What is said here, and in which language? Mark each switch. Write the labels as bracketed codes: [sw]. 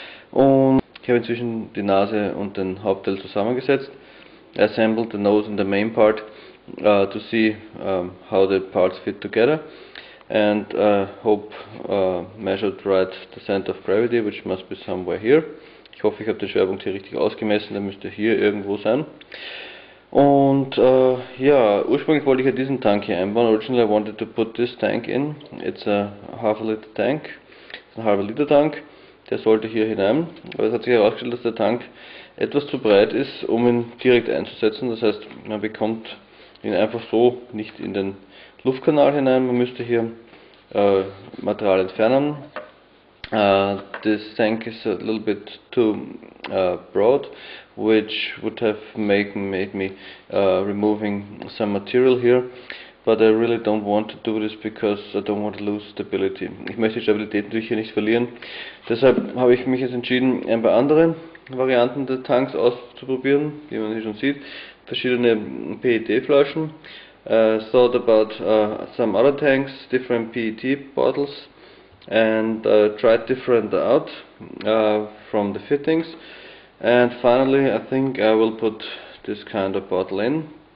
[de] Und ich habe inzwischen die Nase und den Hauptteil zusammengesetzt. [en] Assembled the nose and the main part to see how the parts fit together. And hope measured right the center of gravity, which must be somewhere here. [de] Ich hoffe, ich habe den Schwerpunkt hier richtig ausgemessen. Der müsste hier irgendwo sein. Und ja, ursprünglich wollte ich ja diesen Tank hier einbauen. [en] Originally I wanted to put this tank in. It's a half a liter tank. [de] Ein halber Liter Tank. Der sollte hier hinein. Aber es hat sich herausgestellt, dass der Tank etwas zu breit ist, um ihn direkt einzusetzen. Das heißt, man bekommt ihn einfach so nicht in den Luftkanal hinein. Man müsste hier Material entfernen. [en] This tank is a little bit too broad, which would have made me removing some material here, but I really don't want to do this because I don't want to lose stability. [de] Ich möchte die Stabilität natürlich hier nicht verlieren. Deshalb habe ich mich jetzt entschieden, ein paar andere Varianten der Tanks auszuprobieren, wie man hier schon sieht. Verschiedene PET-Flaschen. [en] Thought about some other tanks, different PET bottles, and tried different out from the fittings. And finally, I think I will put this kind of bottle in.